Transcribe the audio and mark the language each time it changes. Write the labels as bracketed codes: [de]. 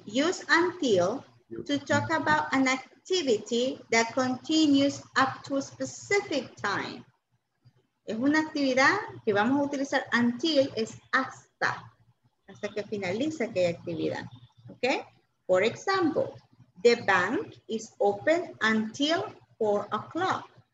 [en] Use until to talk about an activity that continues up to a specific time. [es] Es una actividad que vamos a utilizar until, es hasta. Hasta que finalice aquella actividad. Okay? [en] For example, the bank is open until 4 o'clock.